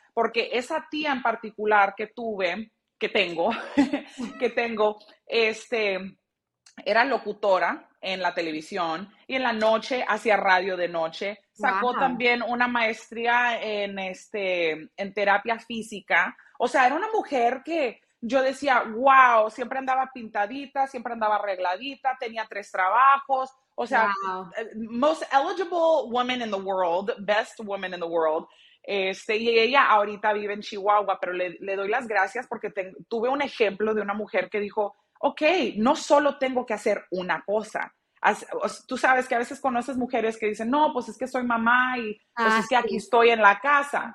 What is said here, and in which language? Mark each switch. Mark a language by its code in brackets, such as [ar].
[es] Porque esa tía en particular que tengo, era locutora en la televisión y en la noche hacía radio de noche. Sacó también una maestría en terapia física. O sea, era una mujer que yo decía, wow, siempre andaba pintadita, siempre andaba arregladita, tenía 3 trabajos. O sea, [en] most eligible woman in the world, best woman in the world. [es] Y ella ahorita vive en Chihuahua, pero le doy las gracias porque tuve un ejemplo de una mujer que dijo, ok, no solo tengo que hacer una cosa. Tú sabes que a veces conoces mujeres que dicen, no, pues es que soy mamá y es que aquí estoy en la casa.